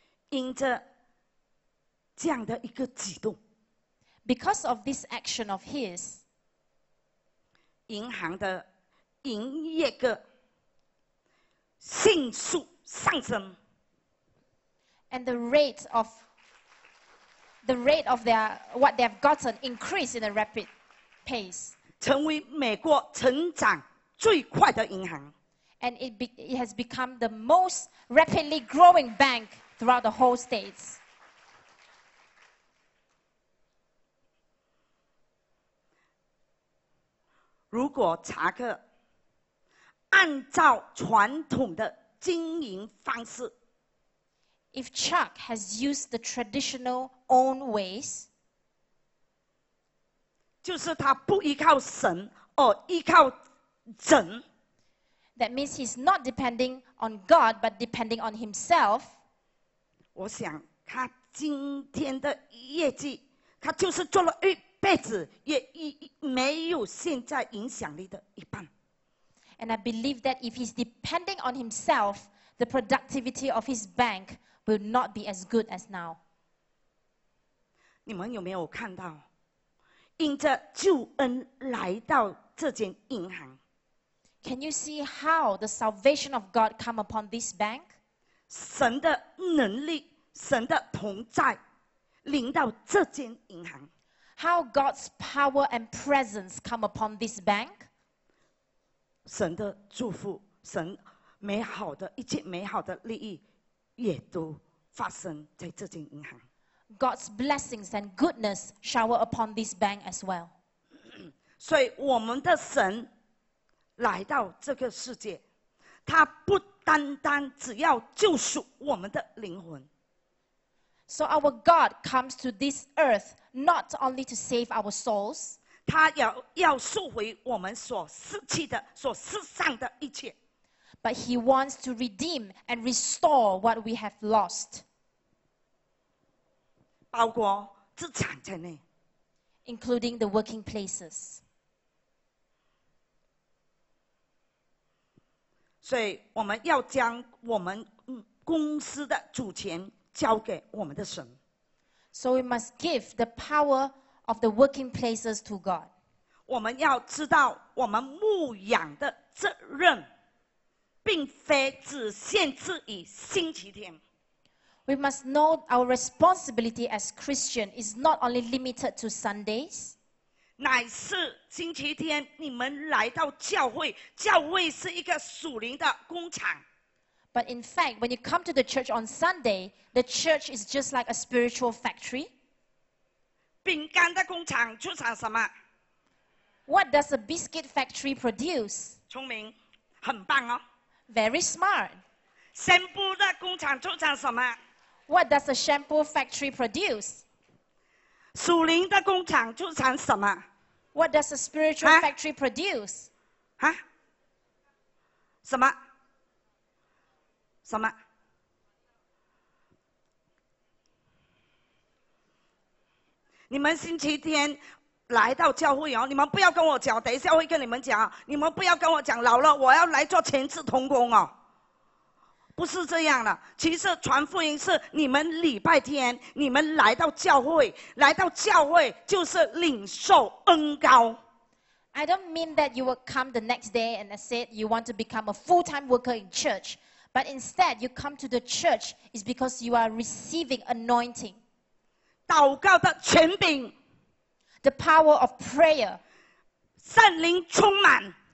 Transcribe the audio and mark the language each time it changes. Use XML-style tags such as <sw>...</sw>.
<zh>因着这样的一个举动</zh> <en>，because of this action of his，</en> <zh>银行的营业额迅速上升</zh> <en>，and the rate of their what they have gotten increased in a rapid pace，</en> <zh>成为美国成长最快的银行</zh> <en>，and it has become the most rapidly growing bank throughout the whole states。</en> <zh>如果查克按照传统的经营方式</zh> <en>，If Chuck has used the traditional own ways，</en> <zh>就是他不依靠神而依靠人</zh> <en>，That means he's not depending on God but depending on himself。</en> <zh>我想他今天的业绩，他就是做了辈子也没有现在影响力的一半。</zh> <en>And I believe that if he's depending on himself, the productivity of his bank will not be as good as now.</en> <zh>你们有没有看到，因着救恩来到这间银行</zh> <en>？Can you see how the salvation of God come upon this bank?</en> <zh>神的能力，神的同在，临到这间银行。</zh> <en>How God's power and presence come upon this bank?</en> <zh>神的祝福，神美好的一切美好的利益，也都发生在这间银行。</zh> <en>God's blessings and goodness shower upon this bank as well.</en> <zh>所以我们的神来到这个世界，他不单单只要救赎我们的灵魂。</zh> <en>So our God comes to this earth not only to save our souls.</en> <zh>他要赎回我们所失去的、所失散的一切。</zh> <en>But he wants to redeem and restore what we have lost.</en> <zh>包括资产在内。</zh> <en>Including the working places.</en> <zh>所以我们要将我们公司的主权交给我们的神。</zh> <en>So we must give the power of the working places to God.</en> <zh>我们要知道我们牧养的责任并非只限制于星期天。</zh> <en>We must know our responsibility as Christian is not only limited to Sundays.</en> <zh>乃是星期天你们来到教会，教会是一个属灵的工厂。</zh> <en>But in fact, when you come to the church on Sunday, the church is just like a spiritual factory.</en> <zh>饼干的工厂出产什么？</zh> <en>What does a biscuit factory produce?</en> <zh>聪明，很棒哦。</zh> <en>Very smart.</en> <zh>香布的工厂出产什么？</zh> <en>What does a shampoo factory produce?</en> <zh>属灵的工厂出产什么？</zh> <en>What does a spiritual factory produce?</en> <zh>啊？什么？什么？你们星期天来到教会哦，你们不要跟我讲，等一下会跟你们讲，你们不要跟我讲老了，我要来做前置同工哦，不是这样的。其实传福音是你们礼拜天，你们来到教会，来到教会就是领受恩膏。</zh> <en>I don't mean that you will come the next day and I said you want to become a full-time worker in church. But instead, you come to the church is because you are receiving anointing.</en> <zh>祷告的权柄</zh> <en>The power of prayer.</en> <zh>圣灵充满</zh>